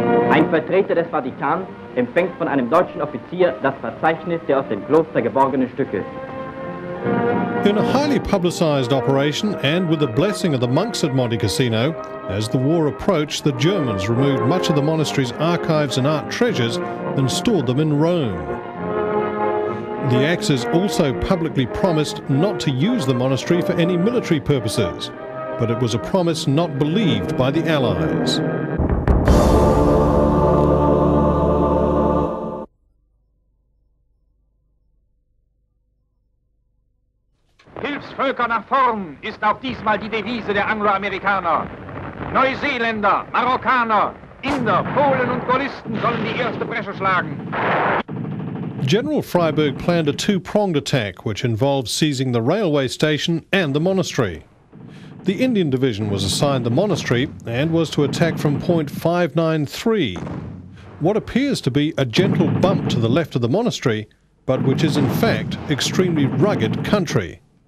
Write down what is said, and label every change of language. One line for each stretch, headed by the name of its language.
German: Ein Vertreter des Vatikans empfängt von einem deutschen Offizier das Verzeichnis der aus dem Kloster geborgenen Stücke.
English: In a highly publicized operation, and with the blessing of the monks at Monte Cassino, as the war approached, the Germans removed much of the monastery's archives and art treasures and stored them in Rome. The Axis also publicly promised not to use the monastery for any military purposes, but it was a promise not believed by the Allies.
German: Völker nach vorn ist auch diesmal die Devise der Angloamerikaner. Neuseeländer, Marokkaner, Inder, Polen und Gaullisten sollen die erste Bresche schlagen.
English: General Freiburg planned a two-pronged attack, which involved seizing the railway station and the monastery. The Indian Division was assigned the monastery and was to attack from point 593. What appears to be a gentle bump to the left of the monastery, but which is in fact extremely rugged country.